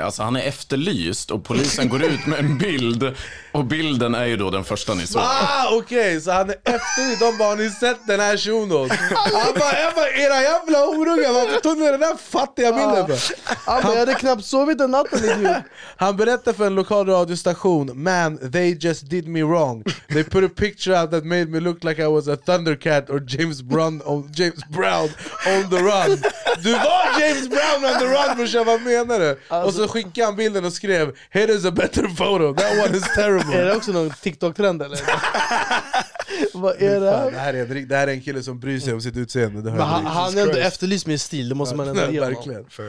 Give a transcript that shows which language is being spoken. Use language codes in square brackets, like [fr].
[sv] Alltså, han är efterlyst och polisen går ut med en bild. Och bilden är ju då den första ni såg. Ah, okej. Okay. Så han är efterlyst. De bara, har ni sett den här tjonos? Han bara, era jävla orungar. Varför tog ni den där fattiga bilden? Ah. Han bara, jag hade knappt sovit den natten. Han berättade för en lokal radiostation. [en] Man, they just did me wrong. They put a picture out that made me look like I was a Thundercat or James Brown on the run. [sv] Du var [en] James Brown on the run, [sv] brorsan. Vad menar du? Alltså, och så skickade han bilden och skrev, [en] here is a better photo, that one is terrible. [sv] Är det också någon TikTok-trend eller? Vad är det? Fan, det här är en kille som bryr sig om sitt utseende. Men han är ändå efterlyst med stil, det måste man ändå ge verkligen.